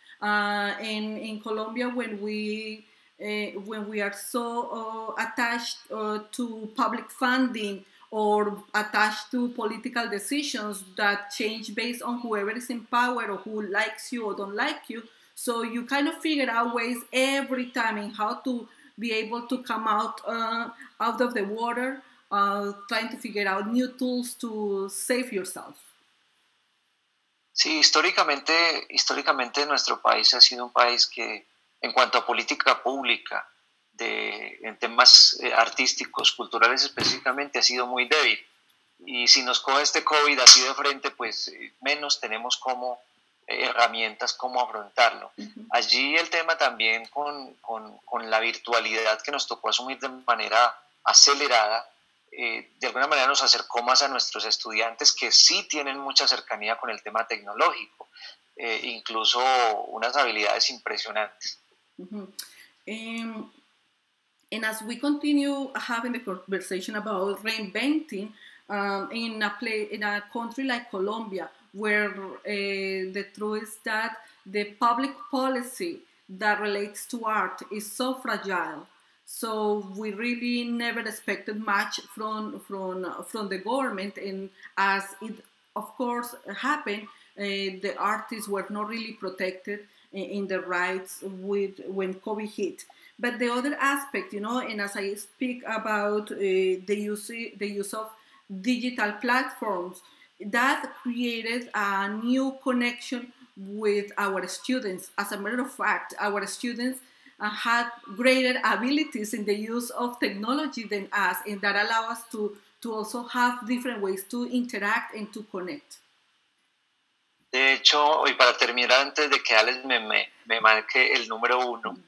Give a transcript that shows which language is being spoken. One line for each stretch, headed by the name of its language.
English: In Colombia, when we are so attached to public funding or attached to political decisions that change based on whoever is in power or who likes you or don't like you, so you kind of figure out ways every time in how to be able to come out of the water, trying to figure out new tools to save yourself.
Spanish: Sí, históricamente nuestro país ha sido un país que, en cuanto a política pública, en temas artísticos, culturales específicamente, ha sido muy débil. Y si nos coge este COVID así de frente, pues menos tenemos como herramientas como afrontarlo. Allí el tema también con la virtualidad que nos tocó asumir de manera acelerada, de alguna manera nos acercó más a nuestros estudiantes que sí tienen mucha cercanía con el tema tecnológico, incluso unas habilidades impresionantes. Mm-hmm.
English: And as we continue having the conversation about reinventing in a country like Colombia, where the truth is that the public policy that relates to art is so fragile, so we really never expected much from the government. And as it, of course, happened, the artists were not really protected in the rights when COVID hit. But the other aspect, you know, and as I speak about the use of digital platforms, that created a new connection with our students. As a matter of fact, our students had greater abilities in the use of technology than us, and that allowed us to also have different ways to interact and to connect.
Spanish: De hecho, y para terminar antes de que Alex me marque el número uno.